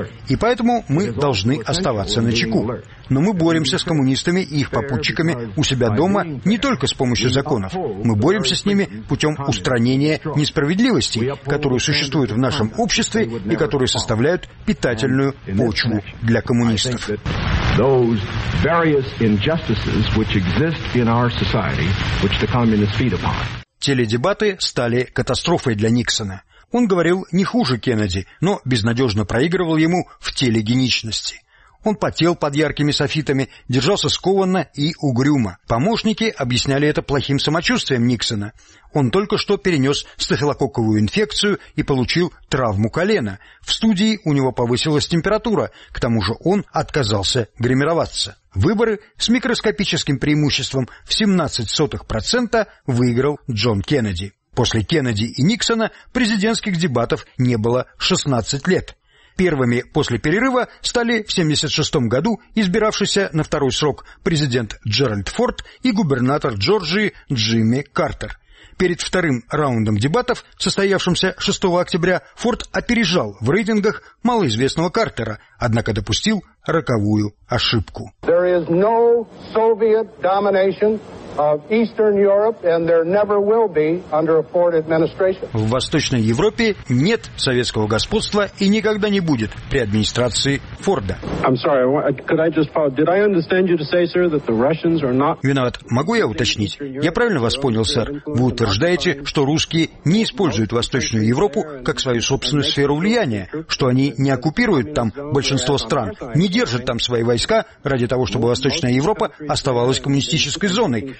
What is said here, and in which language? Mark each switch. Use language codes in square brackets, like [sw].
[ru] И поэтому мы должны оставаться начеку. Но мы боремся с коммунистами и их попутчиками у себя дома не только с помощью законов. Мы боремся с ними путем устранения несправедливостей, которые существуют в нашем обществе и которые составляют питательную почву для коммунистов. [en] Those various injustices which exist in our society, which the communists feed upon. [ru] Теледебаты стали катастрофой для Никсона. Он говорил не хуже Кеннеди, но безнадежно проигрывал ему в телегеничности. Он потел под яркими софитами, держался скованно и угрюмо. Помощники объясняли это плохим самочувствием Никсона. Он только что перенес стафилококковую инфекцию и получил травму колена. В студии у него повысилась температура, к тому же он отказался гримироваться. Выборы с микроскопическим преимуществом в 0,17% выиграл Джон Кеннеди. После Кеннеди и Никсона президентских дебатов не было 16 лет. Первыми после перерыва стали в 1976 году избиравшийся на второй срок президент Джеральд Форд и губернатор Джорджии Джимми Картер. Перед вторым раундом дебатов, состоявшимся 6 октября, Форд опережал в рейтингах малоизвестного Картера, однако допустил роковую ошибку. [en] There is no Soviet domination of Eastern Europe, and there never will be under a Ford administration. [ru] В Восточной Европе нет советского господства и никогда не будет при администрации Форда. [en] I'm sorry, could I just follow? Did I understand you to say, sir, that the Russians are not? [ru] Виноват. Могу я уточнить? Я правильно вас понял, сэр? Вы утверждаете, что русские не используют Восточную Европу как свою собственную сферу влияния, что они не оккупируют там большинство стран, не держат там свои войска ради того, чтобы Восточная Европа оставалась коммунистической зоной,